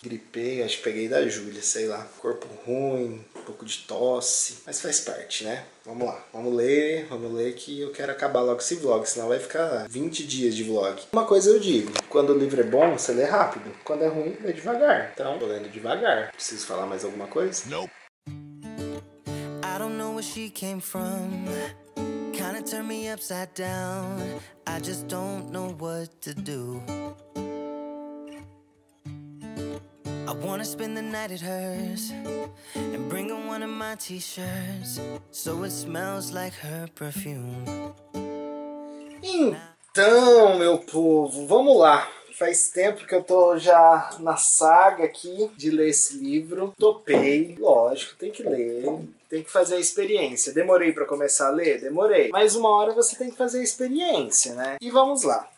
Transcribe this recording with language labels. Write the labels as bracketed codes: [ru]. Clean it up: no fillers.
[pt] Gripei, acho que peguei da Júlia, sei lá. Corpo ruim, um pouco de tosse. Mas faz parte, né? Vamos lá. Vamos ler que eu quero acabar logo esse vlog. Senão vai ficar 20 dias de vlog. Uma coisa eu digo. Quando o livro é bom, você lê rápido. Quando é ruim, lê devagar. Então, tô lendo devagar. Preciso falar mais alguma coisa? Não. [en] She came from, kinda turned me upside down. I just don't know what to do. I wanna spend the night at hers and bring her one of my t-shirts so it smells like her perfume. [pt] Então, meu povo, vamos lá. Faz tempo que eu tô já na saga aqui de ler esse livro. Topei, lógico, tem que ler. Tem que fazer a experiência. Demorei pra começar a ler? Demorei. Mas uma hora você tem que fazer a experiência, né? E vamos lá.